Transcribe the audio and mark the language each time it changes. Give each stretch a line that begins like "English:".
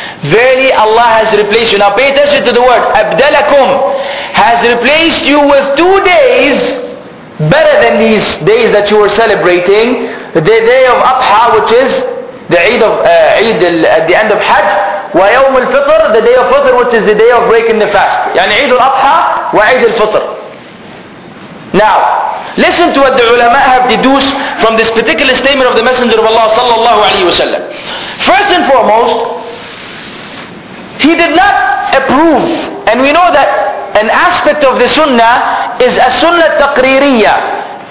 English: Verily Allah has replaced you. Now pay attention to the word, abdalakum, has replaced you with 2 days better than these days that you were celebrating. The day of Adha, which is the Eid of Eid at the end of Hajj.
Arabic: وَيَوْمُ الْفِطْرِ,
English: the day of Fitr, which is the day of breaking the fast.
Arabic: يعني عيد الأضحى وعيد الفطر.
English: Now, listen to what the ulama have deduced from this particular statement of the Messenger of Allah sallallahu alayhi wa sallam. First and foremost, he did not approve, and we know that an aspect of the sunnah is a sunnah taqririyah,